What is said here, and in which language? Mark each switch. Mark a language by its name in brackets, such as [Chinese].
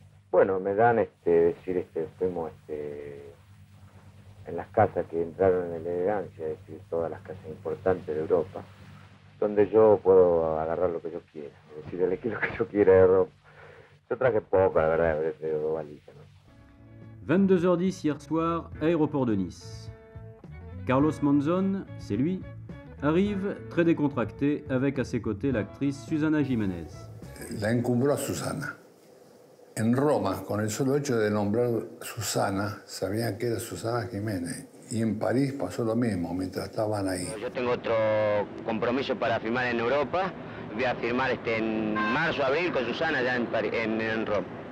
[Spanish] Bueno, me dan fuimos en las casas que entraron en la elegancia, es decir, todas las casas importantes de Europa, donde yo puedo agarrar lo que yo quiera, es decir, elegir lo que yo quiera de ropa. Yo traje poco, la verdad, de valija, ¿no? [French] 22h10 hier soir, aéroport de Nice. Carlos Monzon, c'est lui, arrive très décontracté avec à ses côtés l'actrice Susana Jiménez. [Spanish] La encumbró a Susana. En Roma, con el solo hecho de nombrar Susana, sabían que era Susana Jiménez. Y en París pasó lo mismo, mientras estaban ahí. Yo tengo otro compromiso para firmar en Europa. Voy a firmar en marzo, abril, con Susana ya en París, en Roma.